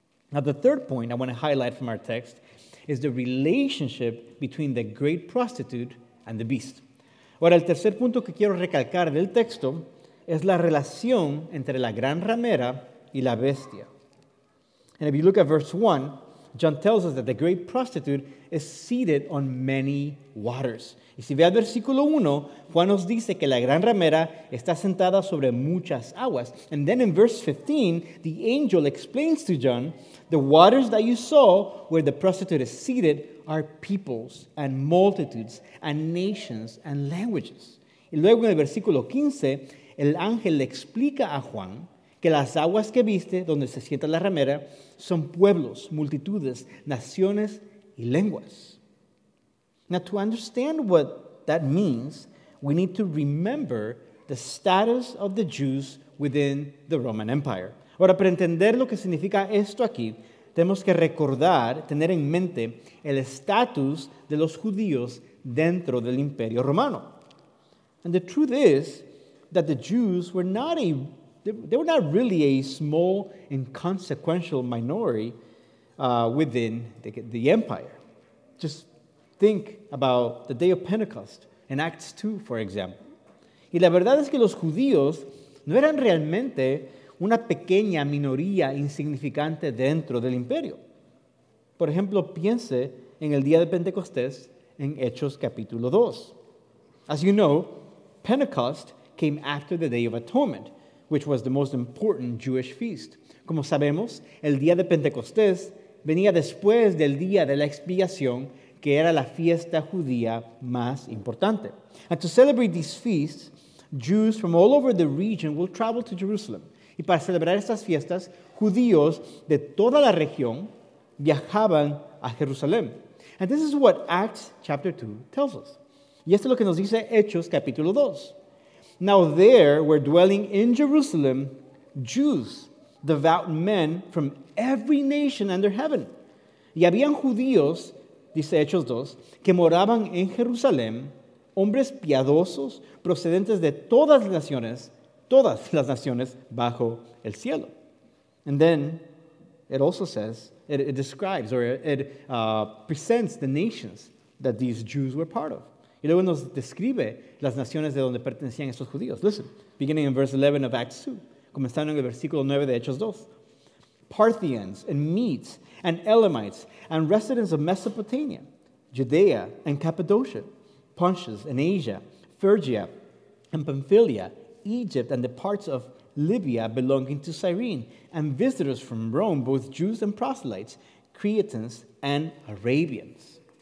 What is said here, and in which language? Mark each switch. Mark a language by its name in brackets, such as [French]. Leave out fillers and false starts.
[English] Now, the third point I want to highlight from our text is the relationship between the great prostitute and the beast. [Spanish] Ahora, el tercer punto que quiero recalcar del texto es la relación entre la gran ramera y la bestia. [English] And if you look at verse 1, John tells us that the great prostitute is seated on many waters. [Spanish] Y si ve al versículo 1, Juan nos dice que la gran ramera está sentada sobre muchas aguas. [English] And then in verse 15, the angel explains to John, the waters that you saw where the prostitute is seated are peoples and multitudes and nations and languages. [Spanish] Y luego en el versículo 15, el ángel le explica a Juan que las aguas que viste donde se sienta la ramera son pueblos, multitudes, naciones y lenguas. [English] Now, to understand what that means, we need to remember the status of the Jews within the Roman Empire. [Spanish] Ahora, para entender lo que significa esto aquí, tenemos que recordar, tener en mente, el estatus de los judíos dentro del Imperio Romano. [English] And the truth is that the Jews were not a They were not really a small, inconsequential minority within the empire. Just think about the day of Pentecost in Acts 2, for example. [Spanish] Y la verdad es que los judíos no eran realmente una pequeña minoría insignificante dentro del imperio. Por ejemplo, piense en el día de Pentecostés en Hechos capítulo 2. [English] As you know, Pentecost came after the Day of Atonement, which was the most important Jewish feast. [Spanish] Como sabemos, el día de Pentecostés venía después del día de la expiación, que era la fiesta judía más importante. [English] And to celebrate these feasts, Jews from all over the region will travel to Jerusalem. [Spanish] Y para celebrar estas fiestas, judíos de toda la región viajaban a Jerusalén. [English] And this is what Acts chapter 2 tells us. [Spanish] Y esto es lo que nos dice Hechos capítulo 2. [English] Now there were dwelling in Jerusalem Jews, devout men from every nation under heaven. [Spanish] Y habían judíos, dice Hechos 2, que moraban en Jerusalén, hombres piadosos procedentes de todas las naciones bajo el cielo. [English] And then it also says, it presents the nations that these Jews were part of. [Spanish] Y luego nos describe las naciones de donde pertenecían estos judíos. [English] Listen, beginning in verse 11 of Acts 2, [Spanish] comenzando en el versículo 9 de Hechos 2. [English] Parthians and Medes and Elamites and residents of Mesopotamia, Judea and Cappadocia, Pontus and Asia, Phrygia and Pamphylia, Egypt and the parts of Libya belonging to Cyrene, and visitors from Rome, both Jews and proselytes, Cretans and Arabians.